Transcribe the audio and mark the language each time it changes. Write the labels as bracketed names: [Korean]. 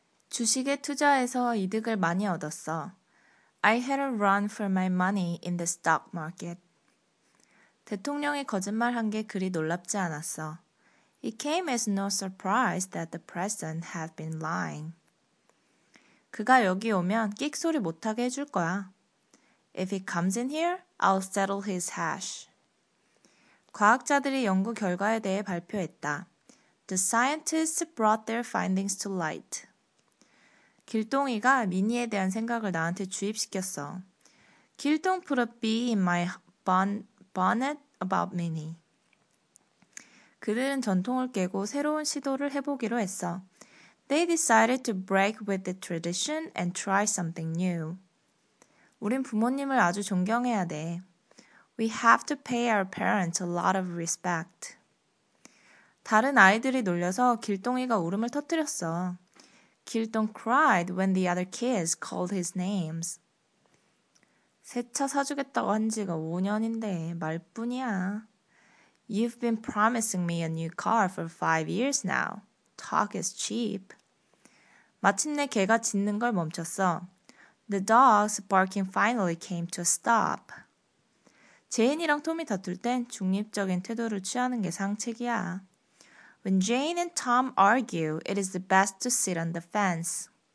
[Korean] 주식에 투자해서 이득을 많이 얻었어. [English] I had a run for my money in the stock market. [Korean] 대통령이 거짓말한 게 그리 놀랍지 않았어. [English] It came as no surprise that the president had been lying. [Korean] 그가 여기 오면 끽 소리 못하게 해줄 거야. [English] If he comes in here, I'll settle his hash. [Korean] 과학자들이 연구 결과에 대해 발표했다. [English] The scientists brought their findings to light. [Korean] 길동이가 미니에 대한 생각을 나한테 주입시켰어. [English] Gildong put a bee in my bonnet about Minnie. [Korean] 그들은 전통을 깨고 새로운 시도를 해보기로 했어. [English] They decided to break with the tradition and try something new. [Korean] 우린 부모님을 아주 존경해야 돼. [English] We have to pay our parents a lot of respect. [Korean] 다른 아이들이 놀려서 길동이가 울음을 터뜨렸어. [English] Gildong cried when the other kids called his names. [Korean] 새 차 사주겠다고 한 지가 5년인데 말뿐이야. [English] You've been promising me a new car for 5 years now. Talk is cheap. [Korean] 마침내 개가 짖는 걸 멈췄어. [English] The dog's barking finally came to a stop. [Korean] 제인이랑 톰이 다툴 땐 중립적인 태도를 취하는 게 상책이야. [English] When Jane and Tom argue, it is the best to sit on the fence.